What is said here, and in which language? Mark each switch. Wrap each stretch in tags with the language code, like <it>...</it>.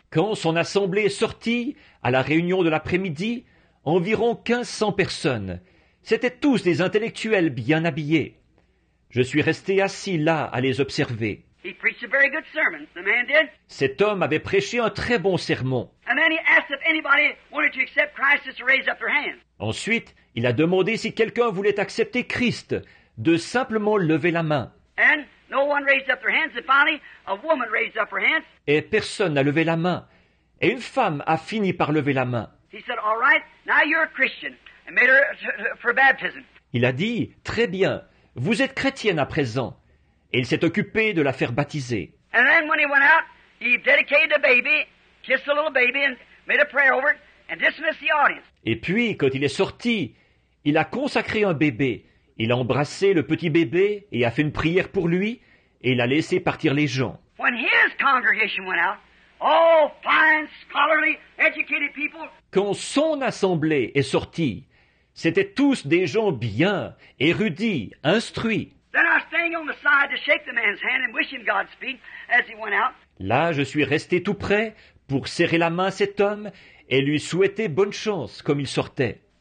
<fr>Quand son assemblée est sortie, à la réunion de l'après-midi, environ 1,500 personnes. C'étaient tous des intellectuels bien habillés. Je suis resté assis là à les observer.</fr> <en>He preached a very good sermon, the man did.</en> <fr>Cet homme avait prêché un très bon sermon.</fr> <en>And then he asked if anybody wanted to accept Christ to raise up their hand.</en> <fr>Ensuite, il a demandé si quelqu'un voulait accepter Christ, de simplement lever la main.</fr> <en>And no one raised up their hands. And finally, a woman raised up her hands.</en> <fr>Et personne n'a levé la main. Et une femme a fini par lever la main.</fr> <en>He said, all right, now you're a Christian. And made her for baptism.</en> <fr>Il a dit, très bien, vous êtes chrétienne à présent. Et il s'est occupé de la faire baptiser.</fr> <en>And then when he went out, he dedicated the baby, kissed the little baby and made a prayer over it and dismissed the audience.</en> <fr>Et puis quand il est sorti, il a consacré un bébé, il a embrassé le petit bébé et a fait une prière pour lui et il a laissé partir les gens.</fr> <en>When his congregation went out, all fine, scholarly, educated people.</en> <fr>Quand son assemblée est sortie, c'étaient tous des gens bien, érudits, instruits.</fr> <en>Then I stayed on the side to shake the man's hand and wish him Godspeed as he went out.</en> <fr>Là, je suis resté tout près pour serrer la main à cet homme et lui souhaiter bonne chance comme il sortait.</fr>